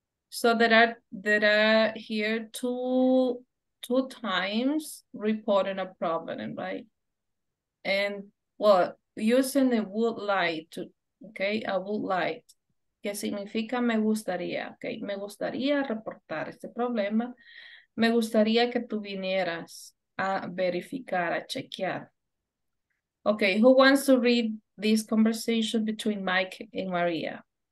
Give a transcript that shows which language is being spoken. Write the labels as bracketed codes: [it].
[en] So there are here two times reporting a problem, right? And well, using the would like to, okay, I would like, [es] que significa me gustaría, [en] okay? [es] Me gustaría reportar este problema. Me gustaría que tú vinieras a verificar, a chequear. [en] Okay, who wants to read this conversation between Mike and Maria?